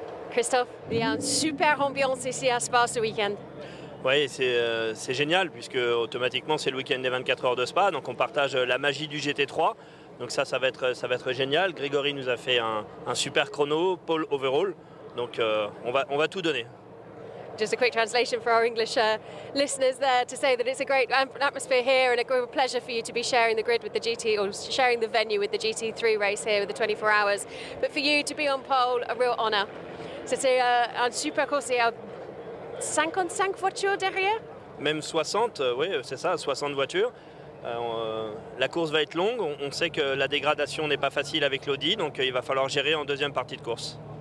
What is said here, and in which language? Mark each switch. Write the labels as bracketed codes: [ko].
[fr] Christophe, il y a une super ambiance ici à Spa ce week-end. Oui, c'est génial, puisque automatiquement, c'est le week-end des 24 heures de Spa, donc on partage la magie du GT3. Donc ça va être génial. Grégory nous a fait un super chrono, pole overall. Donc on va tout donner. [en] Just a quick translation for our English listeners there to say that it's a great atmosphere here and a great pleasure for you to be sharing the grid with the GT, or sharing the venue with the GT3 race here with the 24 hours. But for you to be on pole, a real honour. [fr] So c'est un super course et 55 voitures derrière. Même 60, oui, c'est ça, 60 voitures. La course va être longue. On sait que la dégradation n'est pas facile avec l'Audi, donc il va falloir gérer en deuxième partie de course.